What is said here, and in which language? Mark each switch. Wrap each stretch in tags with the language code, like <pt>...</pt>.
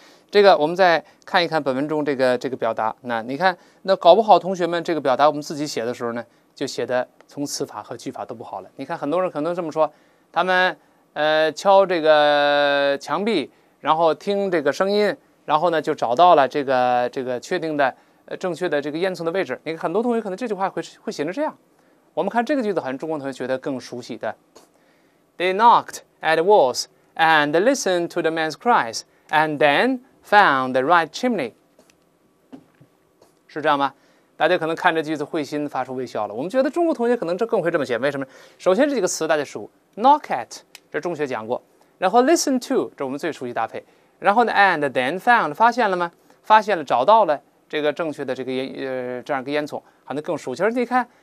<zh>这个我们再看一看本文中这个表达。那你看，那搞不好同学们这个表达我们自己写的时候呢，就写的从词法和句法都不好了。你看很多人可能这么说，他们敲这个墙壁，然后听这个声音，然后呢就找到了这个确定的正确的这个烟囱的位置。你看很多同学可能这句话会写成这样。我们看这个句子，好像中国同学觉得更熟悉的。</zh> <en>They knocked at the walls and listened to the man's cries and then found the right chimney.</en> <zh>是这样吗？大家可能看这句子会心发出微笑了。我们觉得中国同学可能更会这么写，为什么？首先这几个词大家熟 ，knock at， 这中学讲过，然后 listen to， 这我们最熟悉搭配，然后呢 ，</zh> <en>and then found，</en> <zh>发现了吗？发现了，找到了这个正确的这个这样一个烟囱，好像更熟悉。而你看。</zh>